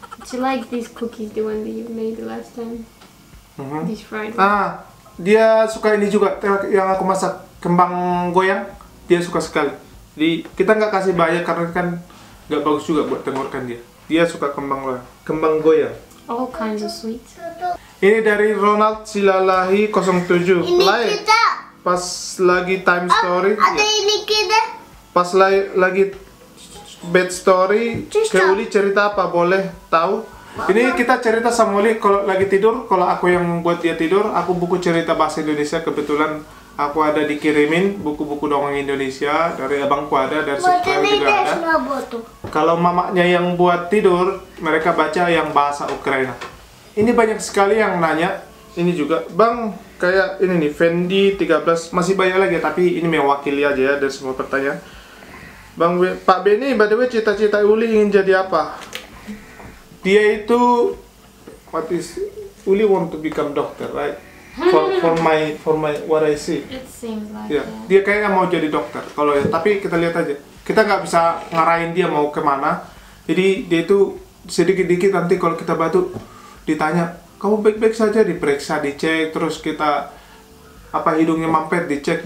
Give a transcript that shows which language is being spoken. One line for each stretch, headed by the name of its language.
English: She like these cookies, the one that you made the last time. Mm-hmm.
Indonesian: Ah, dia suka ini juga yang aku masak, kembang goyang. Dia suka sekali. Jadi kita nggak kasih banyak karena kan nggak bagus juga buat tenggorokan dia. Dia suka kembang goyang.
English: All kinds of sweets.
Indonesian: Ini dari Ronald Silalahi 07. Ini Lai. Kita. Pas lagi
English: time story.
Indonesian: Ada ya. Ini kita. Pas lagi
English: bad story.
Indonesian: Ke Uli cerita apa boleh tahu? Ini kita cerita sama Uli kalau lagi tidur, kalau aku yang buat dia tidur, aku buku cerita bahasa Indonesia, kebetulan aku ada dikirimin buku-buku dongeng Indonesia, dari abangku ada, dari sekolah juga ada. Kalau mamanya yang buat tidur, mereka baca yang bahasa Ukraina. Ini banyak sekali yang nanya, ini juga, Bang, kayak ini nih, Fendi 13, masih banyak lagi, tapi ini mewakili aja ya dari semua pertanyaan. Bang, Pak Benny,
English: by the way,
Indonesian: cita-cita Uli ingin jadi apa? Dia itu,
English: what is, Uli want to become doctor, right? For my, what I see. It seems like. Yeah.
Indonesian: Dia kayaknya mau jadi dokter. Kalau ya, tapi kita lihat aja. Kita nggak bisa ngarahin dia mau kemana. Jadi dia itu sedikit-sedikit nanti kalau kita batuk ditanya, kamu baik-baik saja, diperiksa, dicek, terus kita apa hidungnya mampet, dicek.